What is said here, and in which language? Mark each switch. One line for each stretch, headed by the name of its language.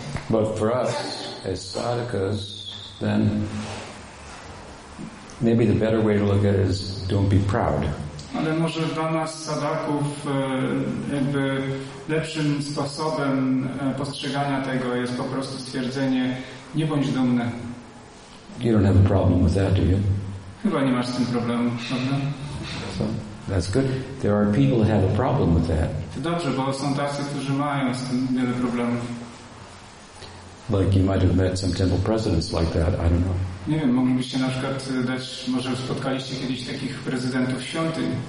English: But for us, as sadhakas, then maybe the better way to look at it is don't be proud.
Polish: Ale może dla nas sadaków jakby lepszym sposobem postrzegania tego jest po prostu stwierdzenie: nie bądź dumny.
English: You don't have a problem with that, do you?
Polish: Chyba nie masz z tym problemu, prawda?
English: So, that's good. There are people who have a problem with that.
Polish: To dobrze, bo są tacy, którzy mają z tym wiele problemów.
English: Like you might have met some temple presidents like that, I don't know.
Polish: Nie wiem, moglibyście na przykład dać, może spotkaliście kiedyś takich prezydentów świątyń.